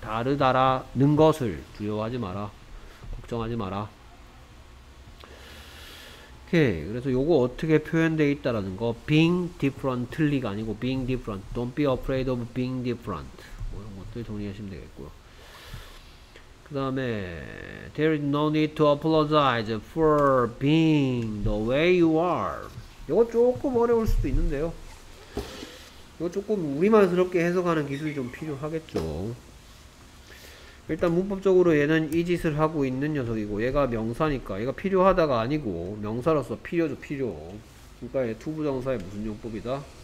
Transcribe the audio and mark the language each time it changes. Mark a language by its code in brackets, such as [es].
[ko] 다르다라는 것을 두려워하지 마라 걱정하지 마라. 오케이. 그래서 요거 어떻게 표현되어 있다라는 거. [en] being differently가 [ko] 아니고 [en] being different. don't be afraid of being different. [ko] 뭐 이런 것들 정리하시면 되겠고요. 그 다음에, [en] there is no need to apologize for being the way you are. [ko] 요거 조금 어려울 수도 있는데요. 요거 조금 우리만스럽게 해석하는 기술이 좀 필요하겠죠. 일단 문법적으로 얘는 이 짓을 하고 있는 녀석이고 얘가 명사니까 얘가 필요하다가 아니고 명사로서 필요죠 필요. 그러니까 얘 투부 정사의 무슨 용법이다?